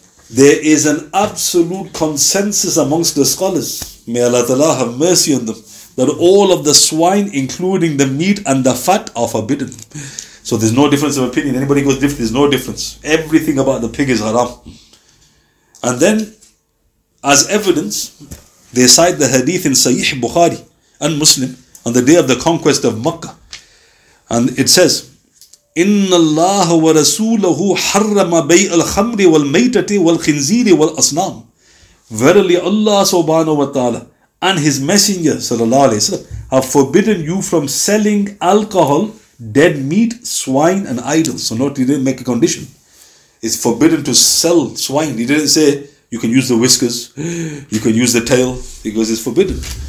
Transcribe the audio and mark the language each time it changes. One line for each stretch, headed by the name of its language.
English: There is an absolute consensus amongst the scholars, may Allah Ta'ala have mercy on them, that all of the swine, including the meat and the fat, are forbidden. So there's no difference of opinion. Anybody goes different, there's no difference. Everything about the pig is haram. And then, as evidence, they cite the hadith in Sahih Bukhari and Muslim on the day of the conquest of Makka. And it says,
Arabic: إِنَّ اللَّهَ وَرَسُولَهُ حَرَّمَ بَيْءَ الْخَمْرِ وَالْمَيْتَةِ وَالْخِنْزِيرِ وَالْأَصْنَامِ.
English: Verily Allah subhanahu wa ta'ala and his messenger sallallahu alayhi wa sallam have forbidden you from selling alcohol, dead meat, swine and idols. So note, he didn't make a condition. It's forbidden to sell swine. He didn't say you can use the whiskers, you can use the tail, because it's forbidden.